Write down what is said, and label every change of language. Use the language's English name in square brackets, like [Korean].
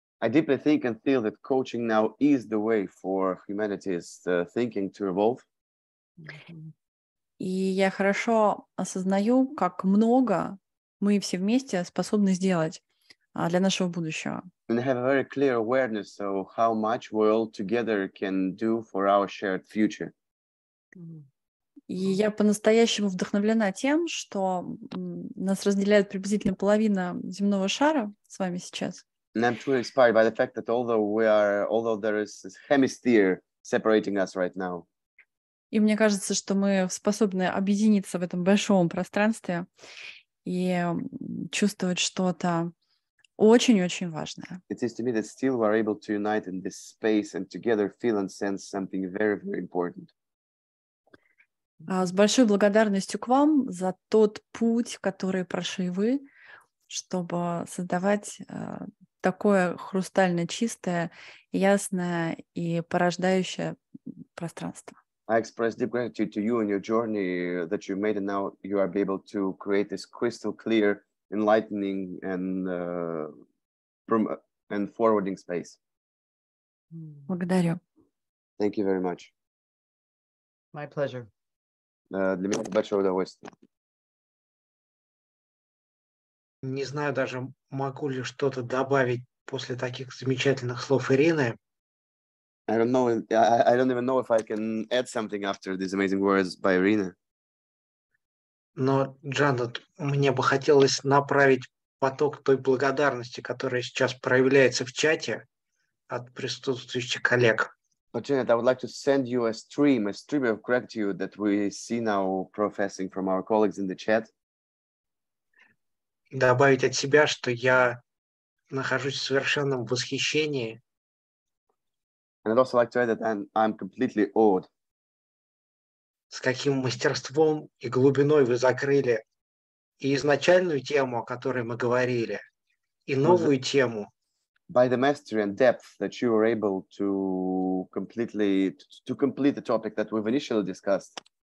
[English] I deeply think and feel that coaching now is the way for humanity's thinking to evolve. [Russian] И я хорошо осознаю, как много мы все вместе способны сделать для нашего будущего. [English] And have a very clear awareness of how much we all together can do for our shared future. [Russian] И я по-настоящему вдохновлена тем, что нас разделяет приблизительно половина земного шара с вами сейчас. [English] And I'm truly inspired by the fact that although there is this hemisphere separating us right now. [Russian] И мне кажется, что мы способны объединиться в этом большом пространстве и чувствовать что-то очень-очень важное. [English] It seems to me that still we are able to unite in this space and together feel and sense something very, very important. [Russian] С большой благодарностью к вам за тот путь, который прошли вы, чтобы создавать такое хрустально чистое, ясное и порождающее пространство. [English] I express deep gratitude to you and your journey that you made, and now you are able to create this crystal clear, enlightening, and forwarding space. [Russian] Благодарю. [English] Thank you very much. My pleasure. [Russian] Для меня это большое удовольствие. Не знаю даже, могу ли что-то добавить после таких замечательных слов Ирины. [English] I don't even know if I can add something after these amazing words by Irina. [Russian] Но, Джанет, мне бы хотелось направить поток той благодарности, которая сейчас проявляется в чате от присутствующих коллег. [English] But Janet, I would like to send you a stream of gratitude that we see now professing from our colleagues in the chat. [Russian] Добавить от себя, что я нахожусь в совершенном восхищении. [English] And I'd also like to add that I'm completely awed. [Russian] С каким мастерством и глубиной вы закрыли и изначальную тему, о которой мы говорили, и новую тему. [English] By the mastery and depth that you were able to complete the topic that we've initially discussed.